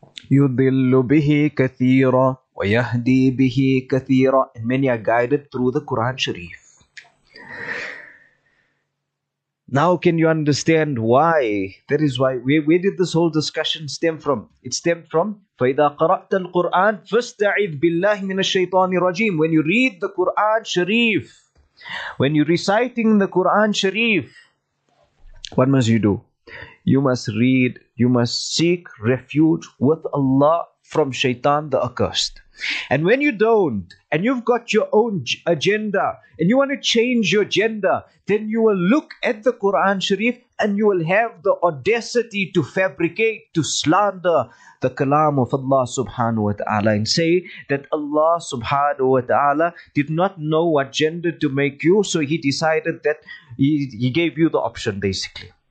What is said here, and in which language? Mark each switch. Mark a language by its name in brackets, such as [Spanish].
[Arabic] يُضِلُّ بِهِ كَثِيرًا. وَيَهْدِي بِهِ كَثِيرًا. [English] Many are guided through the Quran Sharif. Now can you understand why? That is why. Where did this whole discussion stem from? It stemmed from [Arabic] فَإِذَا قَرَأْتَ الْقُرْآنَ فَاسْتَعِذْ بِاللَّهِ مِنَ الشَّيْطَانِ الرَّجِيمِ. [English] When you read the Quran Sharif, when you're reciting the Quran Sharif, what must you do? You must read, you must seek refuge with Allah from Shaitan the accursed. And when you don't, and you've got your own agenda, and you want to change your agenda, then you will look at the Quran Sharif and you will have the audacity to fabricate, to slander the kalam of Allah subhanahu wa ta'ala and say that Allah subhanahu wa ta'ala did not know what gender to make you, so he decided that he gave you the option basically.